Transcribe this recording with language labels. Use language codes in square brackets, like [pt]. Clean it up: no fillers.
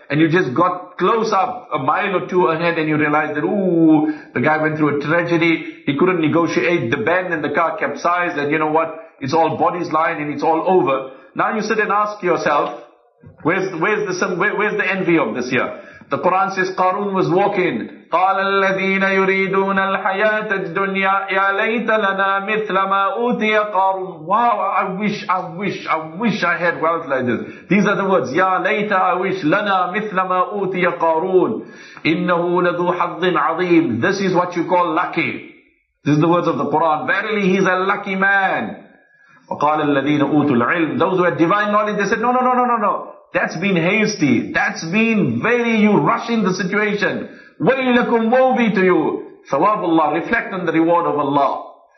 [en] And you just got close up a mile or two ahead and you realize that, ooh, the guy went through a tragedy. He couldn't negotiate the bend and the car capsized. And you know what? It's all bodies lying and it's all over. Now you sit and ask yourself, where's the envy of this here? The Quran says, Qarun was walking. [ar] قَالَ الَّذِينَ يُرِيدُونَ الْحَيَاةَ الدُّنْيَا يَا لَيْتَ لَنَا مِثْلَ مَا أُوتِيَ قَارُونَ [en] Wow, I wish I had wealth like this. [ar] These are the words. يَا لَيْتَ [en] I wish [ar] لَنَا مِثْلَ مَا أُوتِيَ قَارُونَ إِنَّهُ لَذُو حَظٍ عَظِيمٌ [en] This is what you call lucky. This is the words of the Quran. Verily, he's a lucky man. [ar] وَقَالَ الَّذِينَ أُوتُوا الْعِلْمِ [en] Those who had divine knowledge, they said, no. That's been hasty. That's been very, you rushing the situation. [ar] وَيْلَكُمْ وَوْبِي [en] to you. [ar] ثَوَابُ اللَّهِ [en] Reflect on the reward of Allah.